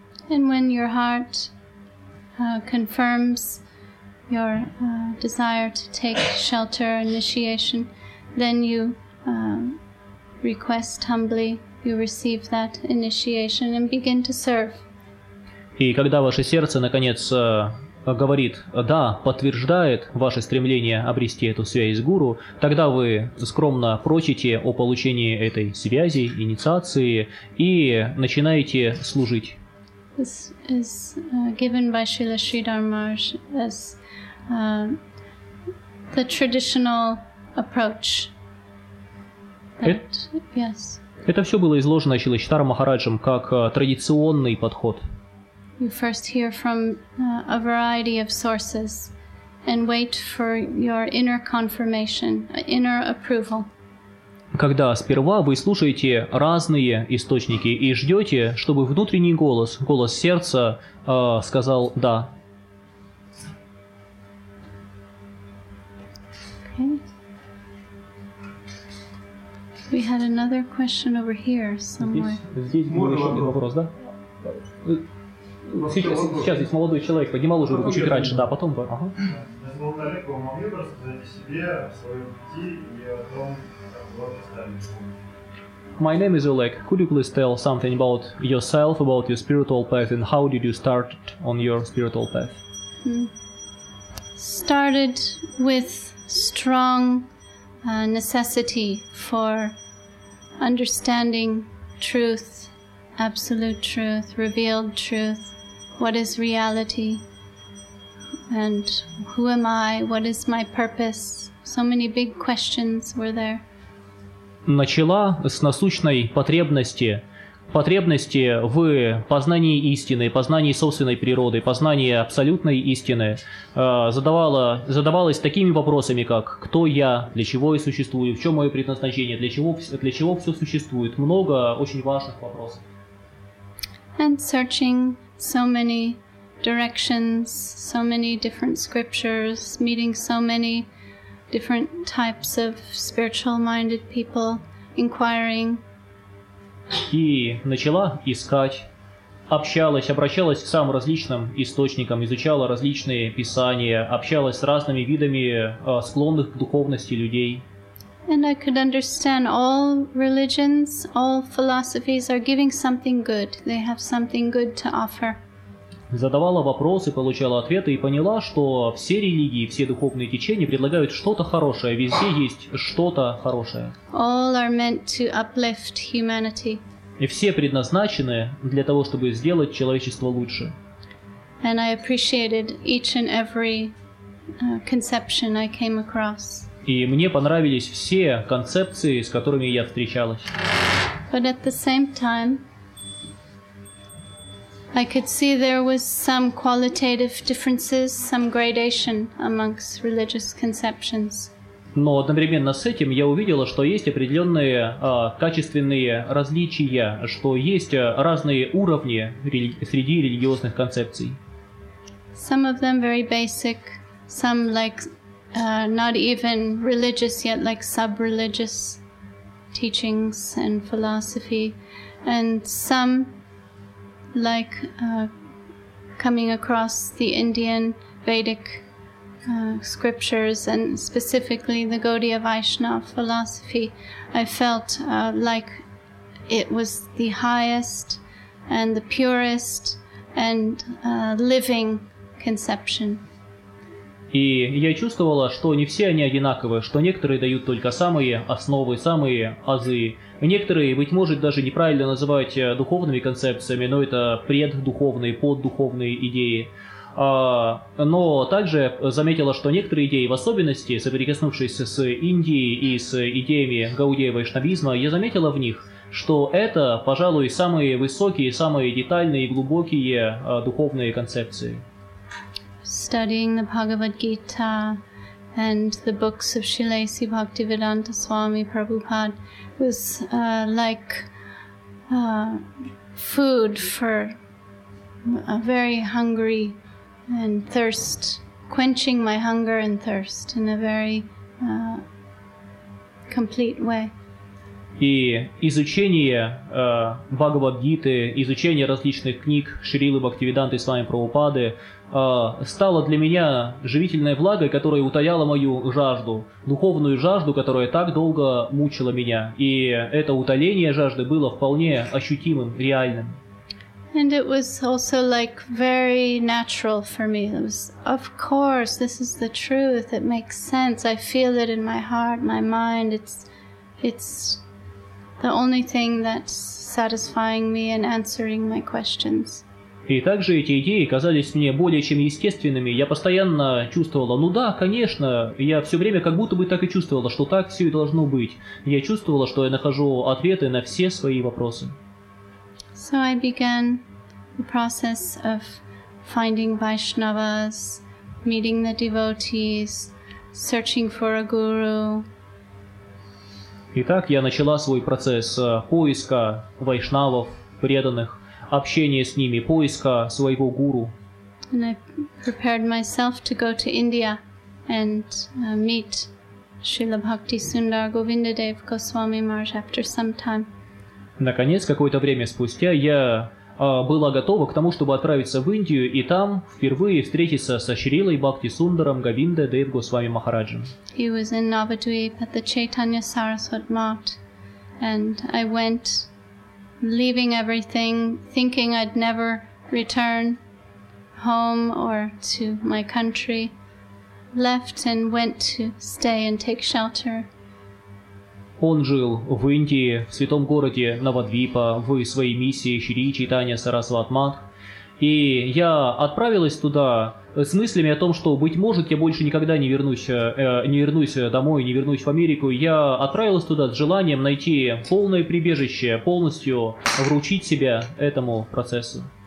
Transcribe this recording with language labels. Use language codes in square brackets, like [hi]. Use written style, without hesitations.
[en] And when your heart confirms your desire to take shelter initiation, then you request humbly, you receive that initiation and begin to serve. [ru] И когда ваше сердце наконец говорит, да, подтверждает ваше стремление обрести эту связь с гуру, тогда вы скромно просите о получении этой связи, инициации, и начинаете служить. [en] This is given by Srila Sridhar Maharaj as the traditional approach. Yes. [ru] Это все было изложено Шрила Шридхара Махараджем как традиционный подход. [en] You first hear from a variety of sources and wait for your inner confirmation, inner approval. [ru] Когда сперва вы слушаете разные источники и ждете, чтобы внутренний голос, голос сердца, сказал «да». [en] Okay. We had another question over here somewhere. [ru] Здесь был вопрос, да? Сейчас здесь молодой человек поднимал уже руку чуть раньше, да, потом... Ага. Без молодолика вы могли бы рассказать о себе, о своем пути и о том, как вы стали? [en] My name is Oleg. Could you please tell something about yourself, about your spiritual path, and how did you start on your spiritual path? Started with strong necessity for understanding truth, absolute truth, revealed truth. What is reality? And who am I? What is my purpose? So many big questions were there. [ru] Начала с насущной потребности. Потребности в познании истины, познании собственной природы, познании абсолютной истины. Задавалась такими вопросами, как «Кто я? Для чего я существую? В чем мое предназначение? Для чего все существует?» Много очень важных вопросов. [en] And searching so many directions, so many different scriptures, meeting so many different types of spiritual-minded people, inquiring. [ru] И начала искать, общалась, обращалась к самым различным источникам, изучала различные писания, общалась с разными видами склонных к духовности людей. [en] And I could understand all religions, all philosophies are giving something good. They have something good to offer. [ru] Задавала вопросы, получала ответы и поняла, что все религии, все духовные течения предлагают что-то хорошее. Везде есть что-то хорошее. [en] All are meant to uplift humanity. [ru] И все предназначены для того, чтобы сделать человечество лучше. [en] And I appreciated each and every conception I came across. [ru] И мне понравились все концепции, с которыми я встречалась. [en] But at the same time, I could see there was some qualitative differences, some gradation amongst religious conceptions. [ru] Но одновременно с этим я увидела, что есть определенные качественные различия, что есть разные уровни среди религиозных концепций. [en] Some of them very basic, some like not even religious yet, like sub-religious teachings and philosophy, and some like coming across the Indian Vedic scriptures and specifically the Gaudiya Vaishnava philosophy, I felt like it was the highest and the purest and living conception. [ru] И я чувствовала, что не все они одинаковы, что некоторые дают только самые основы, самые азы. Некоторые, быть может, даже неправильно называть духовными концепциями, но это преддуховные, поддуховные идеи. Но также заметила, что некоторые идеи, в особенности, соприкоснувшись с Индией и с идеями Гаудия вайшнавизма, я заметила в них, что это, пожалуй, самые высокие, самые детальные и глубокие духовные концепции. [en] Studying the Bhagavad Gita and the books of Shilesi Bhaktivedanta Swami Prabhupada was like food for a very hungry and thirst, quenching my hunger and thirst in a very complete way. [ru] И изучение Бхагавад-гиты, изучение различных книг Шрилы Бхактивиданты Свами Прабхупады стало для меня живительной влагой, которая утоляла мою жажду, духовную жажду, которая так долго мучила меня. И это утоление жажды было вполне ощутимым, реальным. [en] And it was also like very natural for me. It was, of course, this is the truth. It makes sense. I feel it in my heart, my mind. It's the only thing that's satisfying me and answering my questions. [ru] И также эти идеи казались мне более чем естественными. Я постоянно чувствовала, ну да, конечно, я все время как будто бы так и чувствовала, что так все и должно быть. Я чувствовала, что я нахожу ответы на все свои вопросы. [en] So I began the process of finding Vaishnavas, meeting the devotees, searching for a guru. [ru] Итак, я начала свой процесс поиска вайшнавов, преданных, общения с ними, поиска своего гуру. [en] And I prepared myself to go to India and meet Srila Bhakti Sundar Govindadev Goswami Maharaj after some time. [ru] Наконец, какое-то время спустя, я была готова к тому, чтобы отправиться в Индию и там впервые встретиться со Шрилой Бхакти Сундаром Говинда Дев Госвами Махараджем. [en] He was in Navadvip at the Chaitanya Saraswat Mart, and I went, leaving everything, thinking I'd never return home or to my country, left and went to stay and take shelter. [ru] Он жил в Индии, в святом городе Навадвипа, в своей миссии Шри Чайтанья Сарасват Мат. И я отправилась туда с мыслями о том, что, быть может, я больше никогда не вернусь домой, не вернусь в Америку. Я отправилась туда с желанием найти полное прибежище, полностью вручить себя этому процессу.